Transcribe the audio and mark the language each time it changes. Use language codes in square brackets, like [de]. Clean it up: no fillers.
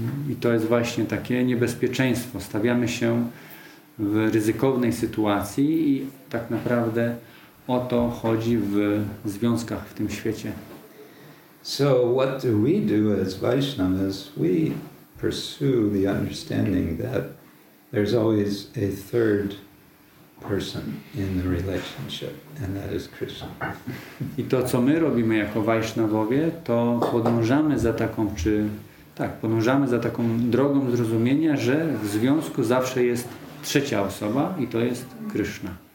[pl] I to jest właśnie takie niebezpieczeństwo. Stawiamy się w ryzykownej sytuacji i tak naprawdę o to chodzi w związkach w tym świecie. [en] So what do we do as Vaishnavas? We pursue the understanding that there's always a third person in the relationship, and that is Krishna. [pl] I to, co my robimy jako Vaishnavowie, to podążamy za taką, czy tak, podążamy za taką drogą zrozumienia, że w związku zawsze jest trzecia osoba i to jest Krishna.